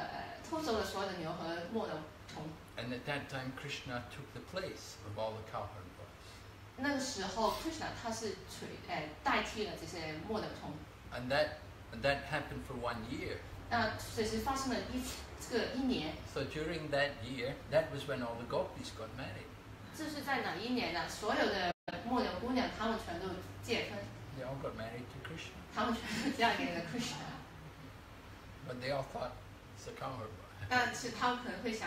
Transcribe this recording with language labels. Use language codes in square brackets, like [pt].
[zh] 当梵天偷走了所有的牛和牧牛。 [en] And at that time, Krishna took the place of all the cowherd boys. [zh] 那个时候, Krishna 他是代替了这些牧童. [en] And that happened for 1 year. [zh] 那只是发生了一年. [en] So during that year, that was when all the gopis got married. [zh] 这是在哪一年呢? 所有的牧童姑娘他们全都结婚. [en] They all got married to Krishna. [zh] 他们全都嫁给了 Krishna. [en] But they all thought it's a cowherd boy.